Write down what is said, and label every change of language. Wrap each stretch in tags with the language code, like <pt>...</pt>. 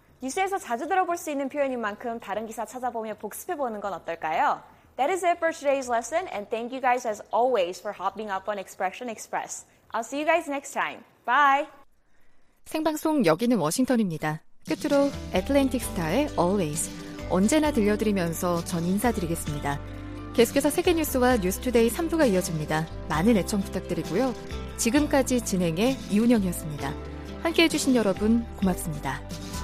<ko>뉴스에서 자주 들어볼 수 있는 표현인 만큼 다른 기사 찾아보며 복습해보는 건 어떨까요?</ko> <en>That is it for today's lesson and thank you guys as always for hopping up on Expression Express. I'll see you guys next time. Bye!</en> <ko>생방송 여기는 워싱턴입니다. 끝으로 애틀랜틱 스타의 Always, 언제나 들려드리면서 전 인사드리겠습니다. 계속해서 세계 뉴스와 뉴스투데이 3부가 이어집니다. 많은 애청 부탁드리고요. 지금까지 진행해 이운영이었습니다. 함께해 주신 여러분 고맙습니다.</ko>